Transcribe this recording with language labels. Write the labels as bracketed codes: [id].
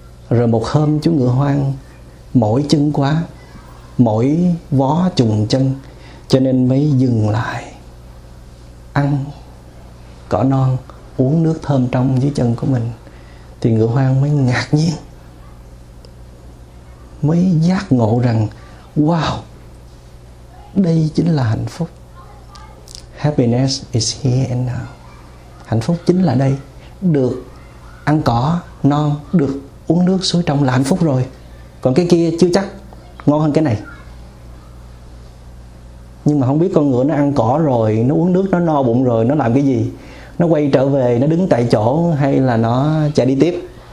[vi] Rồi một hôm chú ngựa hoang mỏi chân quá, mỏi vó trùng chân, cho nên mới dừng lại ăn cỏ non, uống nước thơm trong dưới chân của mình. Thì ngựa hoang mới ngạc nhiên, mới giác ngộ rằng wow, đây chính là hạnh phúc. [en] Happiness is here and now. [vi] Hạnh phúc chính là đây. Được ăn cỏ non, được uống nước suối trong là hạnh phúc rồi. Còn cái kia chưa chắc ngon hơn cái này. Nhưng mà không biết con ngựa nó ăn cỏ rồi, nó uống nước, nó no bụng rồi, nó làm cái gì? Nó quay trở về, nó đứng tại chỗ, hay là nó chạy đi tiếp?